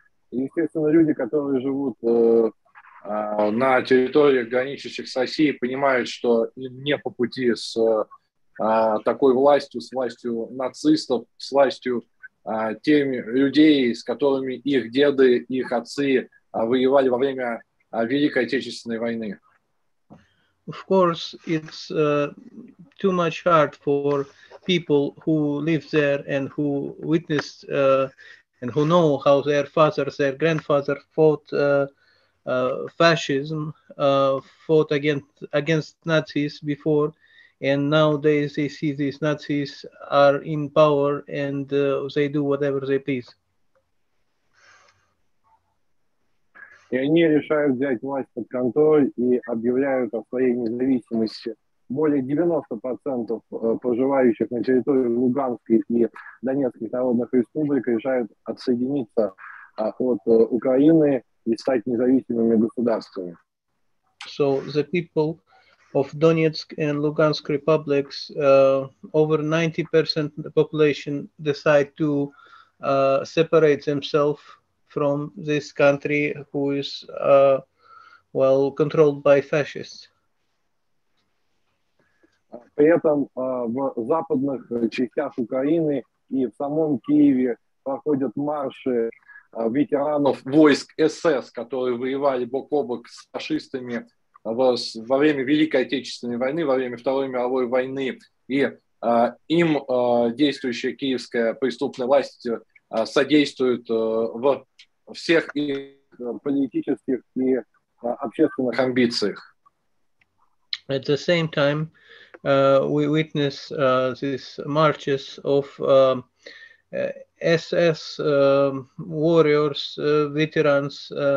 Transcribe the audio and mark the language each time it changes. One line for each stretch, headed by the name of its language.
Russian: Естественно, люди, которые живут на территориях граничащих с Россией, понимают, что им не по пути с такой властью, с властью нацистов, с властью теми людей, с которыми их деды, их отцы воевали во время Великой Отечественной войны.
English: Of course, it's too much hard for people who live there and who witnessed and who know how their fathers, their grandfathers fought fascism, fought against Nazis before, and nowadays they see these Nazis are in power and they do whatever they please.
Russian: И они решают взять власть под контроль и объявляют о своей независимости. Более 90% проживающих на территории Луганской и Донецкой народных республик решают отсоединиться от Украины и стать независимыми государствами.
English: So the people of Donetsk and Lugansk republics, over 90% of the population decide to separate themselves from this country who is well controlled by fascists.
Russian: При этом в западных частях Украины и в самом Киеве проходят марши ветеранов войск СС, которые воевали бок о бок с фашистами во время Великой Отечественной войны, во время Второй мировой войны. И им действующая киевская преступная власть содействует в всех их политических и общественных амбициях.
English: At the same time, we witness these marches of SS warriors, veterans.